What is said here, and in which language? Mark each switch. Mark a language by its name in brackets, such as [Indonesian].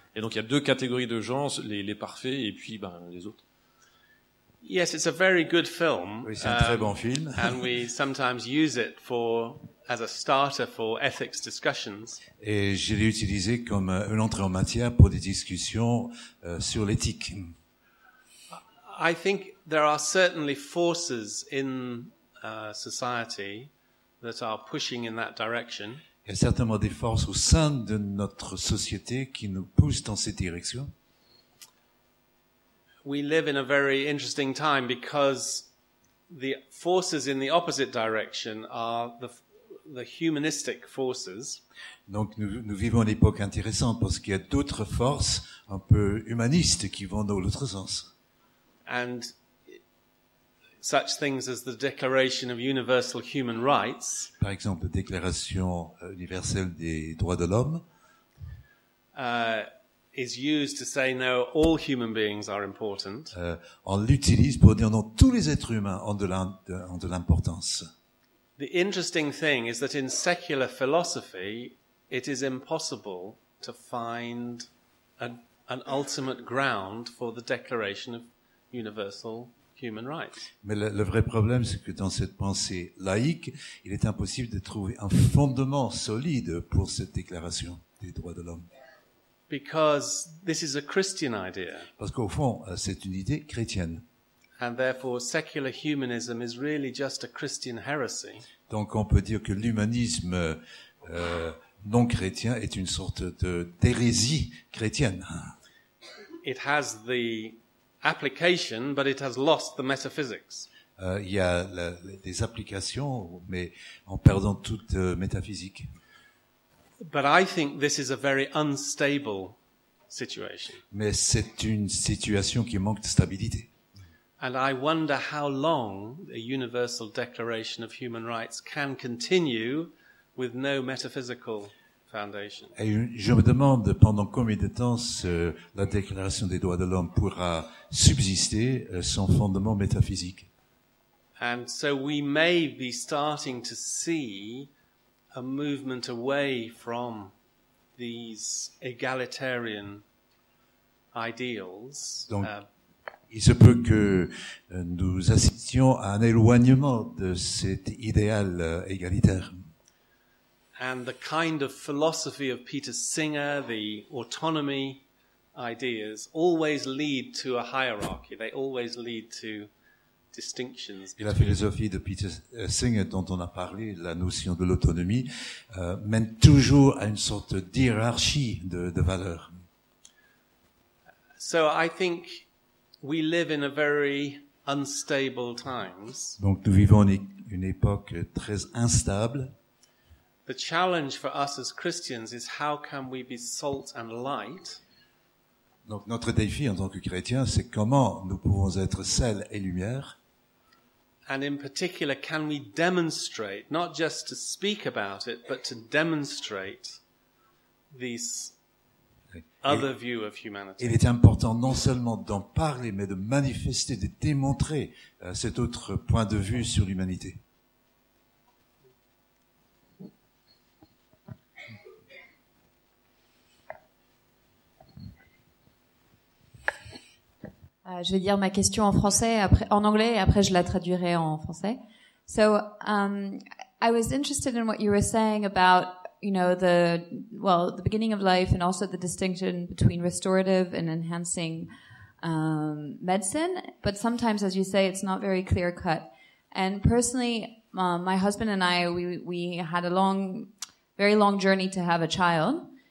[French] Et donc, il y a deux catégories de gens, les parfaits et puis ben, les autres. [English] Yes, it's a very good film. [French] Oui, c'est un très bon film. [English] And we sometimes use it for as a starter for ethics discussions. [French] Et je l'ai utilisé comme une entrée en matière pour des discussions sur l'éthique. [English] I think there are certainly forces in society that are pushing in that direction. [French] Il y a certainement des forces au sein de notre société qui nous poussent dans cette direction. [English] We live in a very interesting time because the forces in the opposite direction are the humanistic forces. [French] Donc nous vivons une époque intéressante parce qu'il y a d'autres forces un peu humanistes qui vont dans l'autre sens. [English] And such things as the Declaration of Universal Human Rights. [French] Par exemple, la Déclaration universelle des droits de l'homme. [English] Is used to say no, all human beings are important. [French] On l'utilise pour dire non, tous les êtres humains ont de l'importance. [English] The interesting thing is that in secular philosophy, it is impossible to find an ultimate ground for the Declaration of Universal Human Rights. [French] Mais le vrai problème, c'est que dans cette pensée laïque, il est impossible de trouver un fondement solide pour cette déclaration des droits de l'homme. [English] Because this is a Christian idea. [French] Parce qu'au fond, c'est une idée chrétienne. [English] And therefore, secular humanism is really just a Christian heresy. [French] Donc on peut dire que l'humanisme non chrétien est une sorte d'hérésie chrétienne. [English] It has the application, but it has lost the metaphysics. [French] Il y a des applications, mais en perdant toute métaphysique. [English] But I think this is a very unstable situation. [French] Mais c'est une situation qui manque de stabilité. [English] And I wonder how long a Universal Declaration of Human Rights can continue with no metaphysical foundation. [French] Et je me demande pendant combien de temps la Déclaration des droits de l'homme pourra subsister sans fondement métaphysique. [English] And so we may be starting to see a movement away from these egalitarian ideals. [French] Donc, il se peut que nous assistions à un éloignement de cet idéal égalitaire. [English] And the kind of philosophy of Peter Singer, the autonomy ideas, always lead to a hierarchy. They always lead to distinctions. [French] Et la philosophie de Peter Singer dont on a parlé, la notion de l'autonomie, mène toujours à une sorte d'hierarchie de valeurs. [English] So I think we live in a very unstable times. [French] Donc nous vivons une époque très instable. [English] The challenge for us as Christians is how can we be salt and light? [French] Donc notre défi en tant que chrétiens, c'est comment nous pouvons être sel et lumière. [English] And in particular, can we demonstrate, not just to speak about it, but to demonstrate this other view of humanity? [French] Il est important non seulement d'en parler, mais de manifester, de démontrer cet autre point de vue sur l'humanité. Je vais dire ma question en français, après, en anglais, et après je la traduirai en français. [English] So, I was interested in what you were saying about, you know, the beginning of life and also the distinction between restorative and enhancing medicine. But sometimes, as you say, it's not very clear cut. And personally, my husband and I, we had a long, very long journey to have a child.